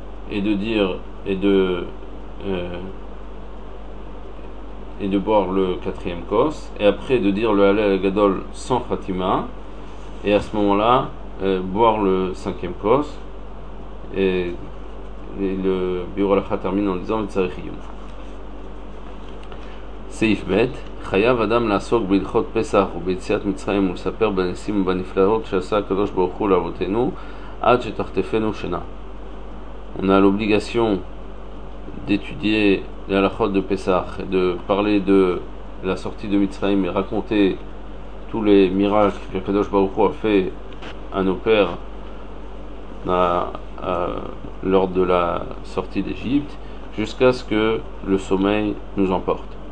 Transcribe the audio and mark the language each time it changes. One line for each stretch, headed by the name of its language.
French: et de boire le quatrième kos et après de dire le Halel Agadol sans Khatima et à ce moment-là boire le cinquième kos et le Biur Halakha termine en disant Tzarech Iyum.
Hebrew: סעיף ב' חייב אדם לעסוק בהלכות פסח וביציאת מצרים ולספר בניסים ובנפלאות שעשה הקדוש ברוך הוא לאבותינו עד שתחטפנו שינה.
French: On a l'obligation d'étudier les halakhot de Pesach, de parler de la sortie de Mitzrayim et raconter tous les miracles que Kadosh Baruch Hu a fait à nos pères lors de la sortie d'Égypte jusqu'à ce que le sommeil nous emporte.